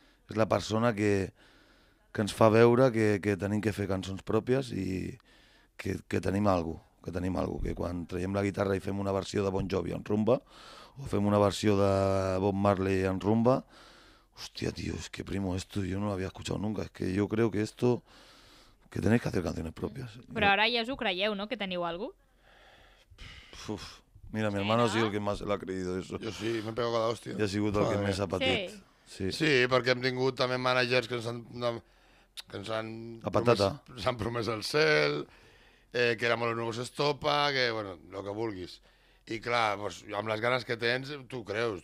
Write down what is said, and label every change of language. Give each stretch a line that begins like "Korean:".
Catalan: És la persona que ens fa veure que tenim que fer cançons pròpies i que tenim alguna cosa, que tenim alguna cosa, que quan traiem la guitarra i fem una versió de Bon Jovi en rumba, o fem una versió de Bob Marley en rumba, hostia, tio, és que primo,
Spanish: esto yo no lo había escuchado nunca, es que yo creo que esto, que tenéis que hacer canciones propias.
Catalan: Però ara ja us ho creieu, no?, que teniu alguna
Spanish: cosa. Uf, mira, mi hermano ha sido el que más se lo ha creído, eso. Yo sí, me he pegado cada hostia.
Catalan: Y ha sigut el que més ha patit. Sí. Sí, perquè hem tingut també managers que ens han... Que ens han promès el cel, que érem els nous Estopa, que, bueno,
Spanish: lo que vulguis.
Catalan: I, clar, pues, amb les ganes que tens, tu creus.